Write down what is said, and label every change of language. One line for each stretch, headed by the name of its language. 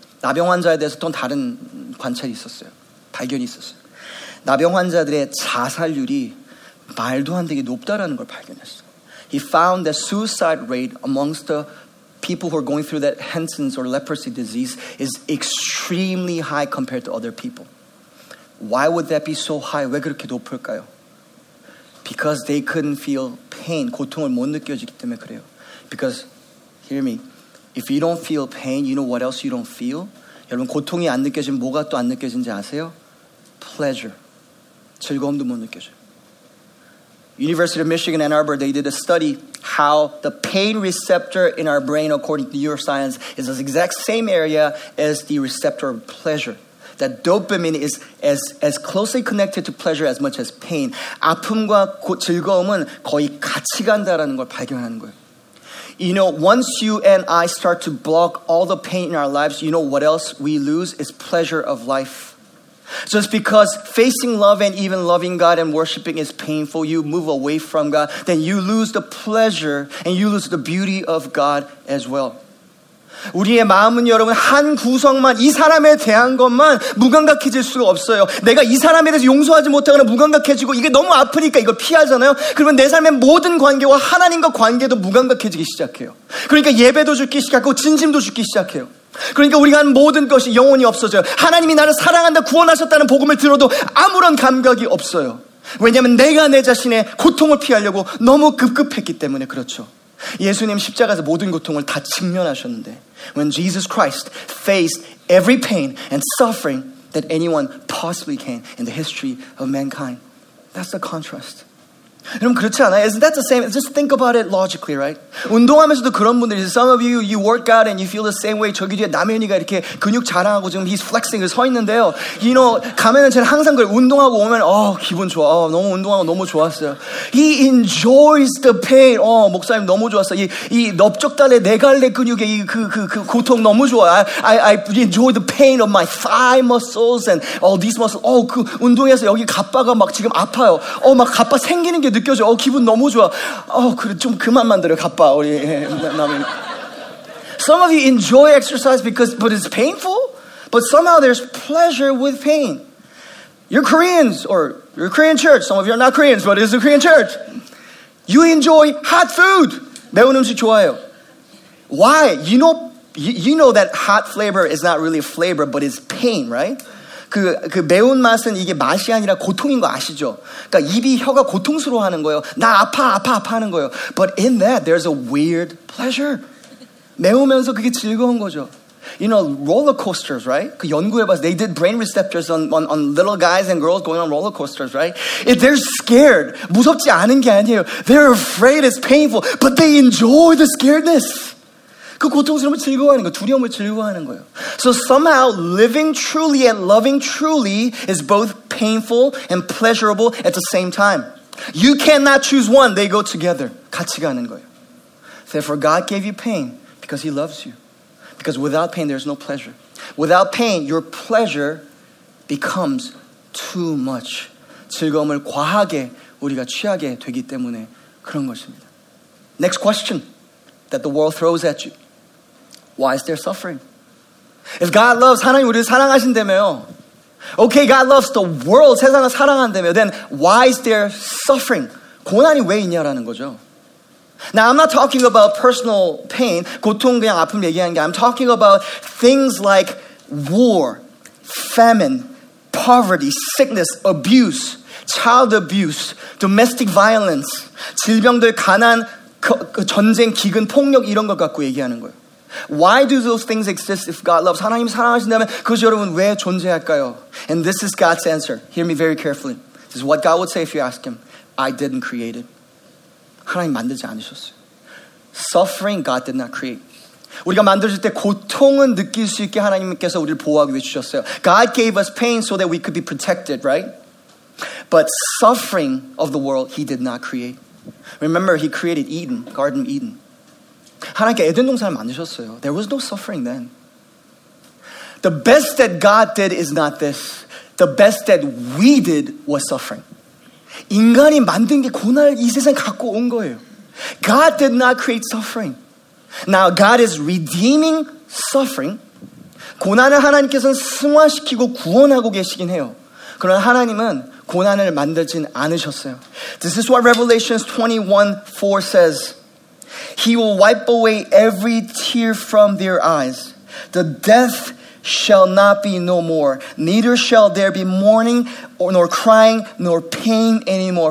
Korean: 나병 환자에 대해서 또 다른 관찰이 있었어요. 발견이 있었어요. 나병 환자들의 자살률이 말도 안 되게 높다라는 걸 발견했어요.
English: He found that suicide rate amongst the people who are going through that Hansen's or leprosy disease is extremely high compared to other people. Why would that be so high?
Korean: 왜 그렇게 높을까요?
English: Because they couldn't feel pain.
Korean: 고통을 못 느껴지기 때문에 그래요.
English: Because, hear me, if you don't feel pain, you know what else you don't feel?
Korean: 여러분, 고통이 안 느껴지면 뭐가 또 안 느껴지는지 아세요?
English: Pleasure.
Korean: 즐거움도 못 느껴져요.
English: University of Michigan, Ann Arbor, they did a study how the pain receptor in our brain, according to neuroscience, is the exact same area as the receptor of pleasure. That dopamine is as closely connected to pleasure as much as pain.
Korean: 아픔과 즐거움은 거의 같이 간다라는 걸 발견하는 거예요.
English: You know, once you and I start to block all the pain in our lives, you know what else we lose? It's pleasure of life. Just because facing love and even loving God and worshiping is painful, you move away from God, then you lose the pleasure and you lose the beauty of God as well.
Korean: 우리의 마음은 여러분 한 구성만 이 사람에 대한 것만 무감각해질 수가 없어요. 내가 이 사람에 대해서 용서하지 못하거나 무감각해지고 이게 너무 아프니까 이걸 피하잖아요. 그러면 내 삶의 모든 관계와 하나님과 관계도 무감각해지기 시작해요. 그러니까 예배도 죽기 시작하고 진심도 죽기 시작해요. 그러니까 우리가 한 모든 것이 영혼이 없어져요. 하나님이 나를 사랑한다 구원하셨다는 복음을 들어도 아무런 감각이 없어요. 왜냐하면 내가 내 자신의 고통을 피하려고 너무 급급했기 때문에 그렇죠. 예수님 십자가에서 모든 고통을 다 직면하셨는데
English: When Jesus Christ faced every pain and suffering that anyone possibly can in the history of mankind. That's the contrast.
Korean: 여러분 그렇지 않아요?
English: Isn't that the same? Just think about it logically, right?
Korean: 운동하면서도 그런 분들이
English: Some of you work out and you feel the same way.
Korean: 저기 뒤에 남현이가 이렇게 근육 자랑하고 지금
English: he's flexing,
Korean: 서 있는데요.
English: You know,
Korean: 가면은 제가 항상 그래 운동하고 오면 기분 좋아. 너무 운동하고 너무 좋았어요.
English: He enjoys the pain.
Korean: 목사님 너무 좋았어. 이 넓적다리 내갈래 근육의 그 고통 너무 좋아.
English: I enjoy the pain of my thigh muscles and all these muscles.
Korean: 그 운동해서 여기 가빠가 막 지금 아파요. 막 가빠 생기는 느껴져. 기분 너무 좋아. 그래 좀 그만 만들어 가빠 우리 남인.
English: Some of you enjoy exercise because but it's painful. But somehow there's pleasure with pain. You're Koreans or you're Korean church. Some of you are not Koreans, but it's a Korean church. You enjoy hot food.
Korean: 매운 음식 좋아요.
English: Why? You know that hot flavor is not really a flavor, but it's pain, right?
Korean: 그 매운 맛은 이게 맛이 아니라 고통인 거 아시죠? 그러니까 입이 혀가 고통스러워하는 거예요. 나 아파 아파 아파 하는 거예요.
English: But in that, there's a weird pleasure.
Korean: 매우면서 그게 즐거운 거죠.
English: You know, roller coasters, right?
Korean: 그 연구해봤어.
English: They did brain receptors on little guys and girls going on roller coasters, right? If they're scared.
Korean: 무섭지 않은 게 아니에요.
English: They're afraid, it's painful. But they enjoy the scaredness.
Korean: 그 고통스러움을 즐거워하는 거, 두려움을 즐거워하는 거예요.
English: So somehow living truly and loving truly is both painful and pleasurable at the same time. You cannot choose one. They go together.
Korean: 같이 가는 거예요.
English: Therefore, God gave you pain because He loves you. Because without pain, there's no pleasure. Without pain, your pleasure becomes too much.
Korean: 즐거움을 과하게 우리가 취하게 되기 때문에 그런 것입니다.
English: Next question. That the world throws at you. Why is there suffering? If God loves,
Korean: 하나님 우리를 사랑하신다며요.
English: Okay, God loves the world,
Korean: 세상을 사랑한다며.
English: Then why is there suffering?
Korean: 고난이 왜 있냐라는 거죠.
English: Now, I'm not talking about personal pain.
Korean: 고통 그냥 아픔 얘기하는 게.
English: I'm talking about things like war, famine, poverty, sickness, abuse, child abuse, domestic violence,
Korean: 질병들, 가난, 전쟁, 기근, 폭력 이런 것 갖고 얘기하는 거예요.
English: Why do those things exist if God loves?
Korean: 하나님 사랑하신다면 그것이 여러분 왜 존재할까요?
English: And this is God's answer. Hear me very carefully. This is what God would say if you ask him. I didn't create it.
Korean: 하나님 만들지 않으셨어요.
English: Suffering God did not create.
Korean: 우리가 만들어질 때 고통은 느낄 수 있게 하나님께서 우리를 보호하기 위해 주셨어요.
English: God gave us pain so that we could be protected, right? But suffering of the world, he did not create. Remember, he created Eden, Garden of Eden.
Korean: 하나님께 에덴 동산을 만드셨어요.
English: There was no suffering then. The best that God did is not this. The best that we did was suffering.
Korean: 인간이 만든 게 고난을 이 세상 갖고 온 거예요.
English: God did not create suffering. Now God is redeeming suffering.
Korean: 고난을 하나님께서는 승화시키고 구원하고 계시긴 해요. 그러나 하나님은 고난을 만들진 않으셨어요.
English: This is what Revelation 21:4 says. He will wipe away every tear from their eyes. The death shall not be no more. Neither shall there be mourning, nor crying, nor pain anymore.